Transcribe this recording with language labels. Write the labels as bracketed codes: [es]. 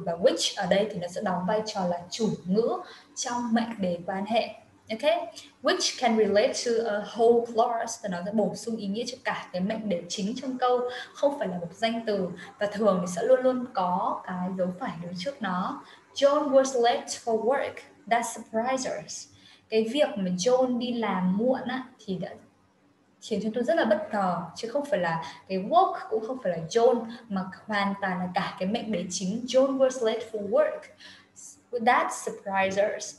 [vi] Và which ở đây thì nó sẽ đóng vai trò là chủ ngữ trong mệnh đề quan hệ. [en] Ok, which can relate to a whole clause, [vi] và nó sẽ bổ sung ý nghĩa cho cả cái mệnh đề chính trong câu, không phải là một danh từ. Và thường thì sẽ luôn luôn có cái dấu phẩy đứng trước nó. [en] John was late for work, that surprised us. [vi] Cái việc mà John đi làm muộn á thì đã khiến cho tôi rất là bất ngờ, chứ không phải là cái work, cũng không phải là John, mà hoàn toàn là cả cái mệnh đề chính. [en] John was late for work, that surprised us.